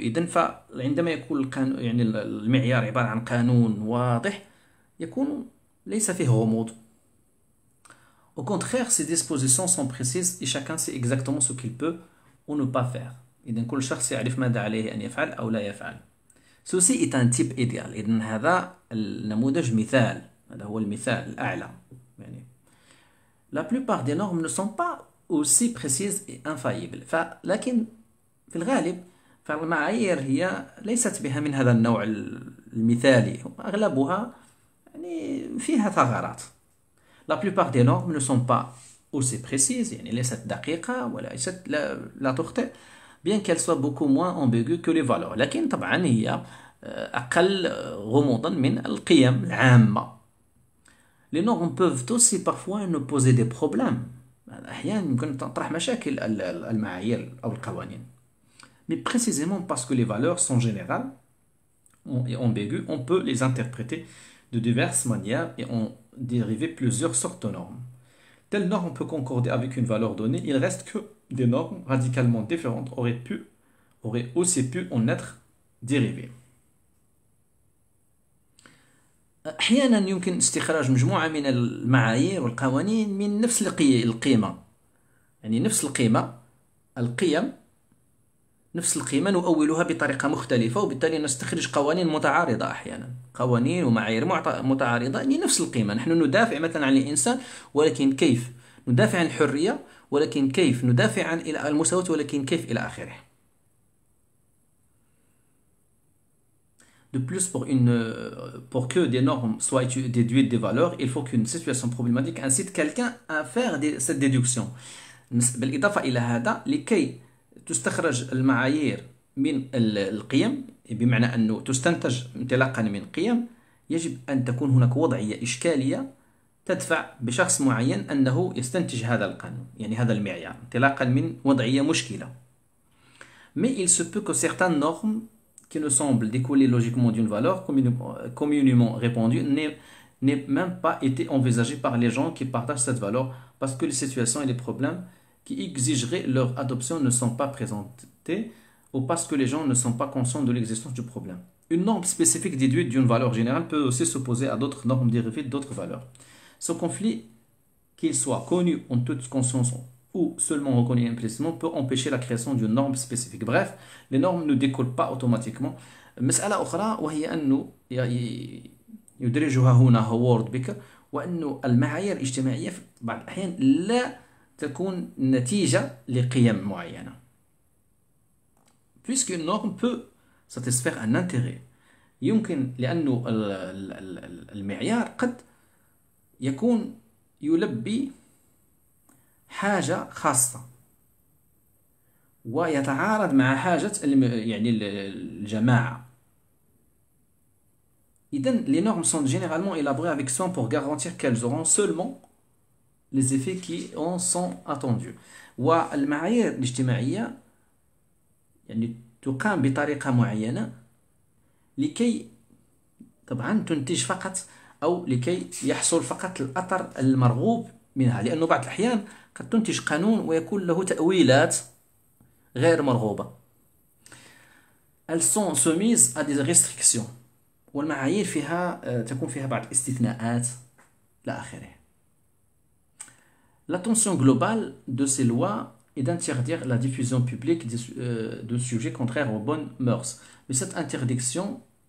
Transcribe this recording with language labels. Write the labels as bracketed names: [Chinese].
[Arabic] إذن فعندما يكون القانون يعني المعيار عبارة عن قانون واضح يكون ليس فيه غموض. [French] Au contraire, ces dispositions sont précises et chacun sait exactement ce qu'il peut ou ne pas faire. [Arabic] إذن كل شخص يعرف ماذا عليه أن يفعل أو لا يفعل. [French] Ceci est un type idéal. [Arabic] إذن هذا النموذج مثال، هذا هو المثال الأعلى. [French] يعني La plupart des normes ne sont pas aussi précises et infaillibles. [Arabic] لكن في الغالب فالمعايير هي ليست بها من هذا النوع المثالي، أغلبها يعني فيها ثغرات. [French] La plupart des normes ne sont pas aussi précises, [Arabic] يعني ليست دقيقة وليست لا تخطئ، [French] bien qu'elles soient beaucoup moins ambiguës que les valeurs. [Arabic] لكن طبعا هي أقل غموضا من القيم العامة. [French] Les normes peuvent aussi parfois nous poser des problèmes. [Arabic] أحيانا يمكن تطرح مشاكل المعايير أو القوانين. [French] Mais précisément parce que les valeurs sont générales et ambiguës, on peut les interpréter de diverses manières et en dériver plusieurs sortes de normes. Telle norme peut concorder avec une valeur donnée, il reste que des normes radicalement différentes auraient aussi pu en être dérivées. [Arabic] أحيانا يمكن استخراج مجموعة من المعايير والقوانين من نفس القيمة، يعني نفس القيمة القيم نفس القيمة نؤولها بطريقة مختلفة، وبالتالي نستخرج قوانين متعارضة أحيانا، قوانين ومعايير متعارضة لنفس القيمة. نحن ندافع مثلا عن الإنسان، ولكن كيف ندافع عن الحرية، ولكن كيف ندافع عن المساواة، ولكن كيف إلى آخره. [French] De plus, pour que des normes soient déduites des valeurs, il faut qu'une situation problématique incite quelqu'un à faire cette déduction. [Arabic] بالإضافة إلى هذا، لكي تستخرج المعايير من القيم، بمعنى أنه تستنتج انطلاقا من قيم، يجب أن تكون هناك وضعية إشكالية تدفع بشخص معين أنه يستنتج هذا القانون، يعني هذا المعيار، انطلاقا من وضعية مشكلة. [French] Mais il se peut que certaines normes qui ne semblent découler logiquement d'une valeur communément répandue n'aient même pas été envisagées par les gens qui partagent cette valeur parce que les situations et les problèmes qui exigeraient leur adoption ne sont pas présentés ou parce que les gens ne sont pas conscients de l'existence du problème. Une norme spécifique déduite d'une valeur générale peut aussi s'opposer à d'autres normes dérivées d'autres valeurs. Ce conflit, qu'il soit connu en toute conscience ou seulement reconnu implicitement, peut empêcher la création d'une norme spécifique. Bref, les normes ne découlent pas automatiquement. Mais à l'autre, il y a un dirigeant Howard Baker, où les [Arabic] معايير الاجتماعية بعض الأحيان لا تكون نتيجة لقيم معينة. [French] puisqu'une norme peut satisfaire un intérêt. [Arabic] يمكن لأنه المعيار قد يكون يلبي حاجة خاصة ويتعارض مع حاجة يعني الجماعة. [French] إذن les normes sont généralement élaborées avec soin pour garantir qu'elles auront seulement les effets qui en sont attendus. [Arabic] والمعايير الاجتماعية يعني تقام بطريقة معينة لكي طبعا تنتج فقط أو لكي يحصل فقط الأثر المرغوب منها، لأنه بعض الأحيان قد تنتج قانون ويكون له تأويلات غير مرغوبة. [French] Elles sont soumises à des restrictions. [Arabic] والمعايير فيها تكون فيها بعض الاستثناءات إلى آخره. [French] L'attention globale de ces lois est d'interdire la diffusion publique de sujets contraires aux bonnes mœurs. Mais cette interdiction.